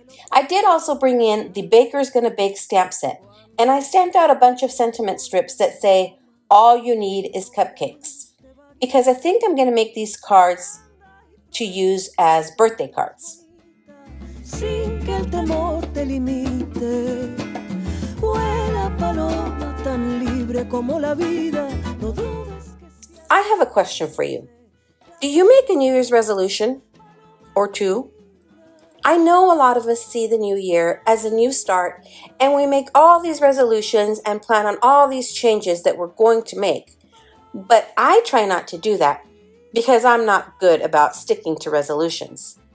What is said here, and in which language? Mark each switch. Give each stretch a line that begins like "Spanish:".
English: I did also bring in the Baker's Gonna Bake stamp set, and I stamped out a bunch of sentiment strips that say, "All you need is cupcakes," because I think I'm going to make these cards to use as birthday cards.
Spanish: Sin que el temor te limite, vuela paloma tan libre como la vida. No dudes que...
English: I have a question for you. Do you make a New Year's resolution or two? I know a lot of us see the new year as a new start, and we make all these resolutions and plan on all these changes that we're going to make. But I try not to do that, because I'm not good about sticking to resolutions.